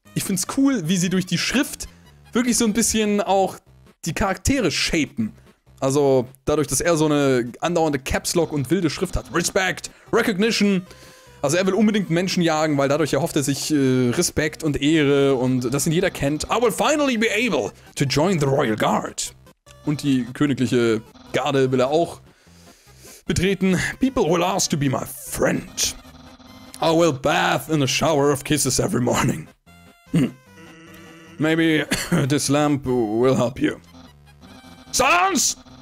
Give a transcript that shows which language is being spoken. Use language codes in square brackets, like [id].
[de] Ich find's cool, wie sie durch die Schrift wirklich so ein bisschen auch die Charaktere shapen. Also dadurch, dass er so eine andauernde Caps Lock und wilde Schrift hat. [en] Respect, Recognition. [de] Also er will unbedingt Menschen jagen, weil dadurch erhofft er sich Respekt und Ehre und das ihn jeder kennt. [en] I will finally be able to join the Royal Guard. [de] Und die königliche Garde will er auch betreten. [en] People will ask to be my friend. I will bath in a shower of kisses every morning. Maybe this lamp will help you. Silence!